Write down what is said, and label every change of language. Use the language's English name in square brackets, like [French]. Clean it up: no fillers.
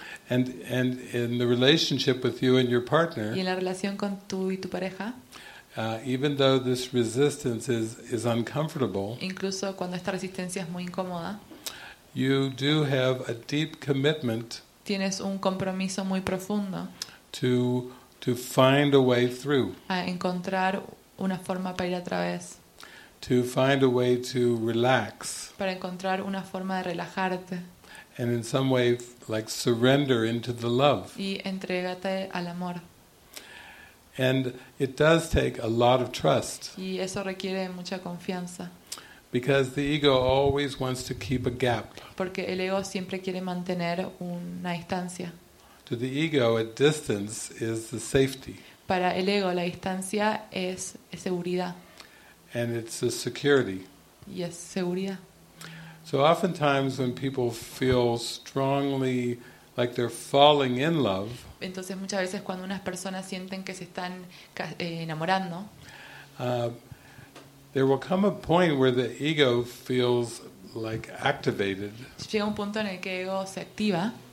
[English] And in the relationship with you and your partner. [Spanish] Y en la relación con tú y tu pareja. [English] Even though this resistance is uncomfortable. [Spanish] Incluso cuando esta resistencia es muy incómoda. [English] You do have a deep commitment. [Spanish] Tienes un compromiso muy profundo. [English] To find a way through. [Spanish] A encontrar una forma para ir a través. [English] To find a way to relax. [Spanish] Para encontrar una forma de relajarte. [English] And in some way, like surrender into the love. [Spanish] Y entrégate al amor. [English] And it does take a lot of trust. [Spanish] Y eso requiere mucha confianza. [English] Because the ego always wants to keep a gap. [Spanish] Porque el ego siempre quiere mantener una distancia. [English] To the ego, a distance is the safety. [Spanish] Para el ego, la distancia es seguridad. [English] And it's the security. [Spanish] Y es seguridad. [English] So oftentimes when people feel strongly like they're falling in love, [Spanish] entonces muchas veces cuando unas personas sienten que se están enamorando, [English] there will come a point where the ego feels like activated. [Spanish] Llega un punto en el que el ego se activa.